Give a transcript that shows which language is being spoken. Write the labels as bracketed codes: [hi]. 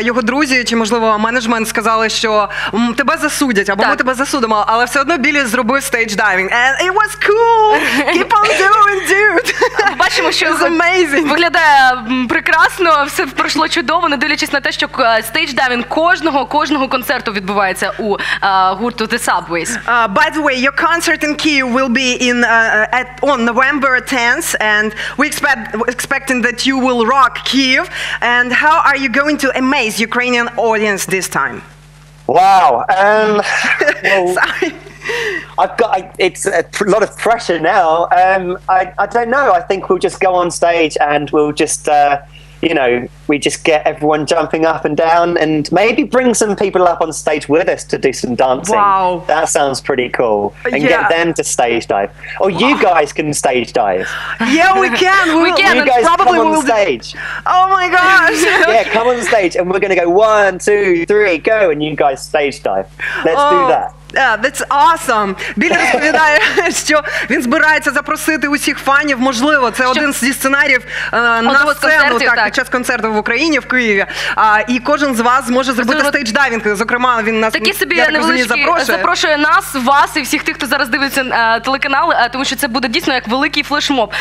[uk] І його друзі, чи, можливо, менеджмент сказали, що тебе засудять, або так, ми тебе засудимо, але все одно Білі зробив стейдж-дайвінг. [en] And it was cool! Keep on doing, dude. [uk] Бачимо, що [en] it's amazing. [uk] Виглядає прекрасно, все пройшло чудово, не дивлячись на те, що стейдж-дайвінг кожного концерту відбувається у гурту The Subways. [en] By the way, your concert in Kyiv will be on November 10th, and we expecting that you will rock Kyiv. And how are you going to amaze Ukrainian audience this time? Wow. Sorry. It's a lot of pressure now. I don't know. I think we'll just go on stage and we'll just, you know, we just get everyone jumping up and down and maybe bring some people up on stage with us to do some dancing. Wow. That sounds pretty cool. And get them to stage dive. Or you guys can stage dive. Yeah, we can. We can. You guys probably come on stage. Oh my gosh. Yeah, come on stage and we're going to go 1, 2, 3, go. And you guys stage dive. Let's do that. That's awesome. [uk] Білі розповідає, що він збирається запросити усіх фанів. Можливо, це один зі сценаріїв на сцену під час концерту в Україні, в Києві. І кожен з вас зможе зробити стейдж-дайвінг. Зокрема, він нас, такі собі невеличкі, запрошує нас, вас і всіх тих, хто зараз дивиться телеканал, тому що це буде дійсно як великий флешмоб.